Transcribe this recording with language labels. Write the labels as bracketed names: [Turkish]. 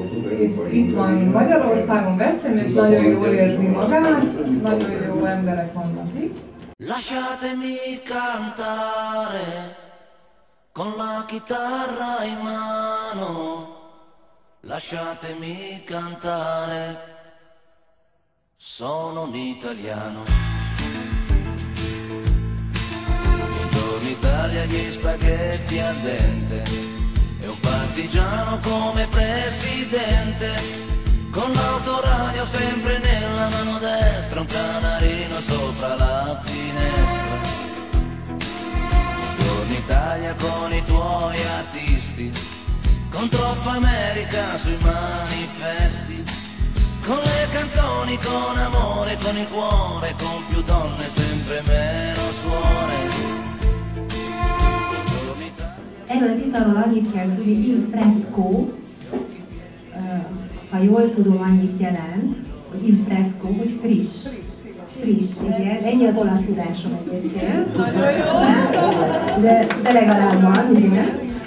[Hungarian] És itt van Magyarországon vettem, és nagyon jól érzi magát, nagyon jó emberek vannak itt. [Italian] Lasciatemi cantare con la chitarra in mano. Lasciatemi cantare, sono un italiano. Buongiorno Italia, gli spaghetti al dente. E un partigiano come presidente, con l'autoradio sempre nella mano destra, un canarino sopra la finestra. Torni Italia con i tuoi artisti, con troppa America sui manifesti, con le canzoni, con amore, con il cuore, con più donne sempre meno suore. [Hungarian] Erről az italról annyit kell tudni, il fresco, ha jól tudom, annyit jelent, hogy il fresco, hogy friss. Friss, igen. Ennyi az olasz tudásom egyébként. De, de legalább van, igen.